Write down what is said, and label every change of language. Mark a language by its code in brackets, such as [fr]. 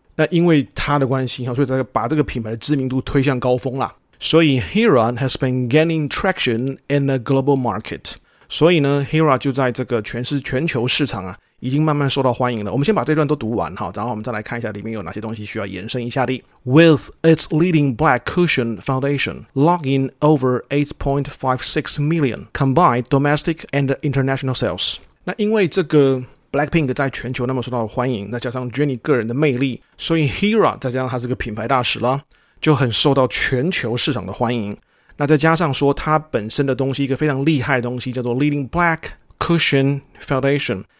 [zh] 那因为他的关系、啊、所以他把这个品牌的知名度推向高峰啦，所以 [en] Hera has been gaining traction in the global market， [zh] 所以呢 Hera 就在这个全球市场啊已经慢慢受到欢迎了。我们先把这段都读完，然后我们再来看一下里面有哪些东西需要延伸一下的。 [en] With its leading black cushion foundation, logging over 8.56 million combined domestic and international sales. [zh] 那因为这个 Blackpink 在全球那么受到欢迎，再加上 Jennie 个人的魅力，所以 Hera 再加上他是个品牌大使了，就很受到全球市场的欢迎。那再加上说他本身的东西，一个非常厉害的东西，叫做 leading black cushion foundation。